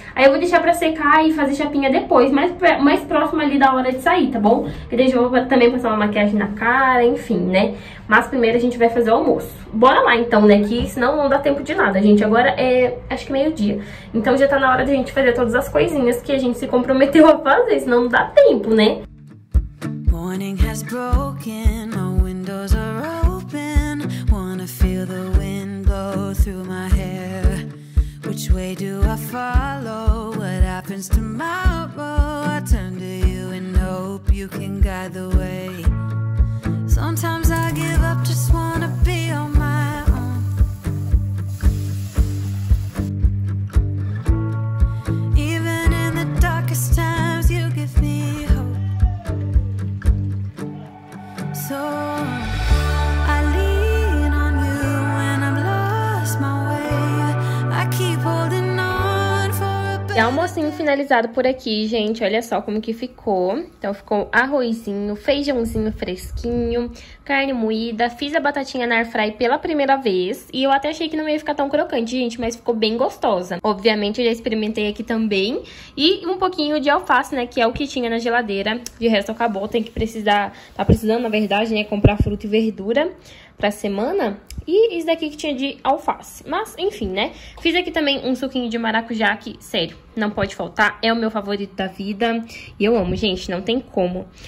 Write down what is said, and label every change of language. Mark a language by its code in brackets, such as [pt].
[pt] Aí eu vou deixar pra secar e fazer chapinha depois, mais próximo ali da hora de sair, tá bom? E daí eu vou também passar uma maquiagem na cara, enfim, né? Mas primeiro a gente vai fazer o almoço. Bora lá então, né? Que senão não dá tempo de nada, gente. Agora é, acho que meio-dia. Então já tá na hora de a gente fazer todas as coisinhas que a gente se comprometeu a fazer, senão não dá tempo, né? [en] Morning has broken, my windows are open. Wanna feel the wind blow through my hair. Which way do I follow? What happens tomorrow? I turn to you and hope you can guide the way. Sometimes I give up, just wanna be on my own. Even in the darkest times, you give me hope. So I lean on you when I've lost my way. I keep holding on for a better. [pt] É almocinho finalizado por aqui, gente. Olha só como que ficou. Então ficou arrozinho, feijãozinho fresquinho, carne moída, fiz a batatinha na air fry pela primeira vez, e eu até achei que não ia ficar tão crocante, gente, mas ficou bem gostosa. Obviamente, eu já experimentei aqui também, e um pouquinho de alface, né, que é o que tinha na geladeira, de resto acabou, tá precisando, na verdade, né, comprar fruta e verdura pra semana, e isso daqui que tinha de alface, mas, enfim, né, fiz aqui também um suquinho de maracujá, que, sério, não pode faltar, é o meu favorito da vida, e eu amo, gente, não tem como.